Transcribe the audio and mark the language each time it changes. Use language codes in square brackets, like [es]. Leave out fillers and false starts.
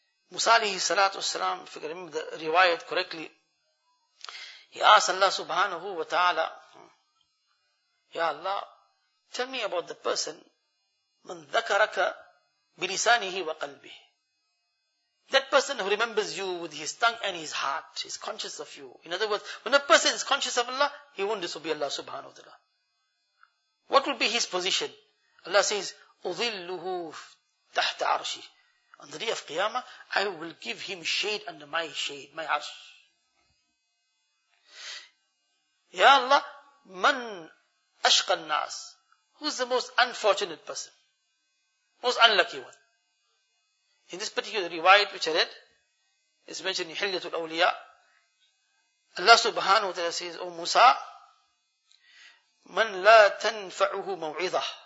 [en] Musa alayhi salatu wasalam, if you remember the riwayat correctly, he asked Allah subhanahu wa ta'ala, Ya Allah, tell me about the person [ar] man dhakaraka bilisanihi wa qalbihi. [en] That person who remembers you with his tongue and his heart, is conscious of you. In other words, when a person is conscious of Allah, he won't disobey Allah subhanahu wa ta'ala. What will be his position? Allah says, [ar] أُظِلُّهُ تَحْتَ عَرْشِ. [en] On the day of Qiyamah, I will give him shade under my shade, my arsh. [ar] Ya Allah, مَنْ أَشْقَ النَّاسِ. [en] Who's the most unfortunate person? Most unlucky one. In this particular riwayat which I read, it's mentioned in Hilyatul Awliya, Allah subhanahu wa ta'ala says, O Musa, [ar] man la tanfa'uhu maw'idah.